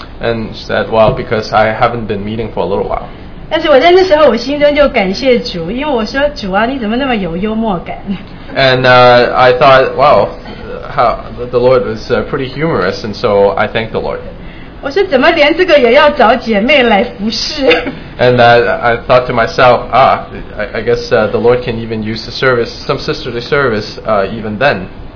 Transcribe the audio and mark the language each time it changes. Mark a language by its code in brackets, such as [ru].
[en] And she said, well, because I haven't been meeting for a little while. [zh] 但是我在那时候，我心中就感谢主，因为我说主啊，你怎么那么有幽默感 [en] ？And I thought, wow, how the Lord was pretty humorous, and so I thank the Lord. [zh] 我说怎么连这个也要找姐妹来服侍 [en] ？And I thought to myself, ah, I guess the Lord can even use the service, some sisterly service, even then.